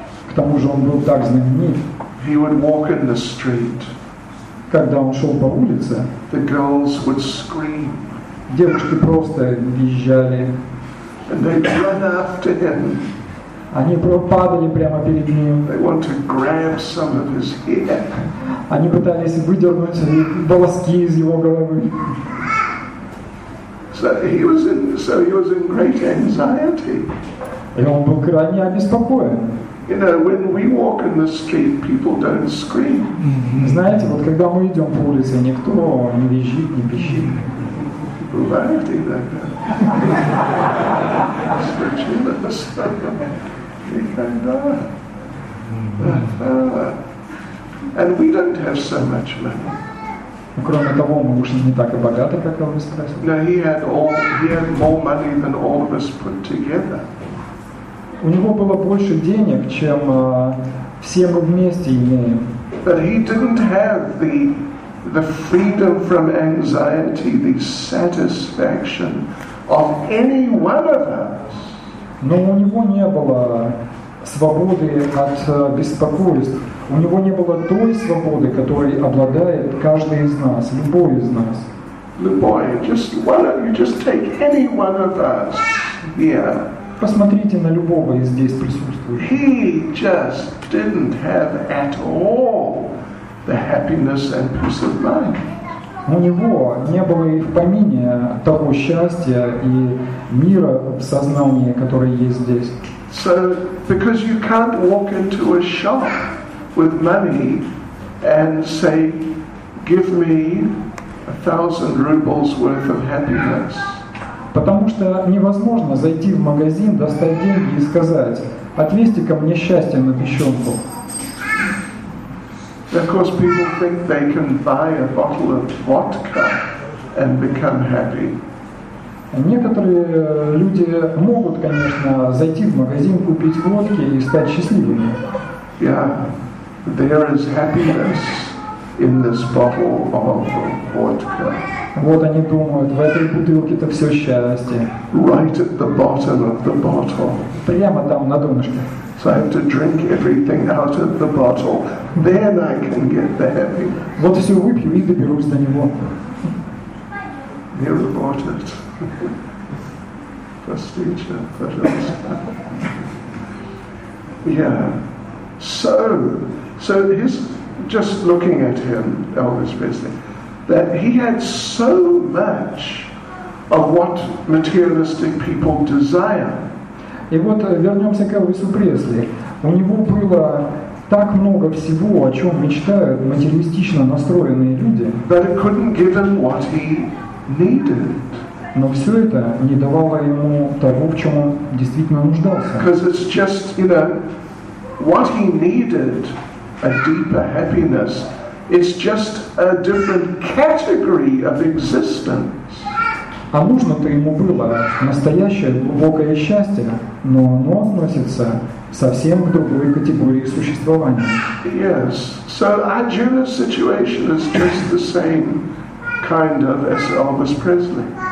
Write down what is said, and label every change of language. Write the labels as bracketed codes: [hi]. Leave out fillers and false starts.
[ru] К тому же он был так знаменит. [en] He would walk in the street. [ru] Когда он шел по улице, [en] the girls would scream. [ru] Девушки просто визжали. [en] And they'd run after him. [ru] Они падали прямо перед ним. [en] They want to grab some of his hair. [ru] Они пытались выдернуть волоски из его головы. [en] So he was in great anxiety. [ru] И он был крайне обеспокоен. [en] You know, when we walk in the street, people don't scream. [ru] Знаете, вот когда мы идем по улице, никто не визжит, не пищит. Бывает иногда. Случилось. Никогда. [en] And we don't have so much money. [ru] Кроме того, мы уж не так и богаты, как он спросил. [en] No, he had more money than all of us put together. [ru] У него было больше денег, чем все мы вместе имеем. [en] But he didn't have the freedom from anxiety, the satisfaction of any one of us. [ru] Но у него не было свободы от беспокойств. У него не было той свободы, которой обладает каждый из нас, любой из нас. Любой, [en] just why don't you just take any one of us here? [ru] Посмотрите на любого из здесь присутствующих. [en] He just didn't have at all the happiness and peace of mind. [ru] У него не было и в помине того счастья и мира в сознании, которое есть здесь. [en] So, because you can't walk into a shop with money and say, give me 1,000 rubles worth of happiness. [ru] Потому что невозможно зайти в магазин, достать деньги и сказать, отвезти ко мне счастье на печенку. [en] Of course, people think they can buy a bottle of vodka and become happy. [ru] Некоторые люди могут, конечно, зайти в магазин, купить водки и стать счастливыми. [en] Yeah, there is happiness in this bottle of vodka. [ru] Вот они думают, в этой бутылке-то все счастье. [en] Right at the bottom of the bottle. [ru] Прямо там, на донышке. [en] So I have to drink everything out of the bottle. Then I can get the happiness. [ru] Вот если выпью и доберусь до него. [en] Near about it. First teacher, but also. Yeah. So he's just looking at him, Elvis Presley, that he had so much of what materialistic people desire. [ru] И вот вернемся к Элвису Пресли. У него было так много всего, о чем мечтают материалистично настроенные люди. [en] But it couldn't give him what he needed. [ru] Но все это не давало ему того, в чем он действительно нуждался. [en] Because it's just, you know, what he needed, a deeper happiness, it's just a different category of existence. [ru] А нужно-то ему было настоящее глубокое счастье, но оно относится совсем к другой категории существования. [en] Yes. So Arjuna's situation is just the same kind of as Elvis Presley.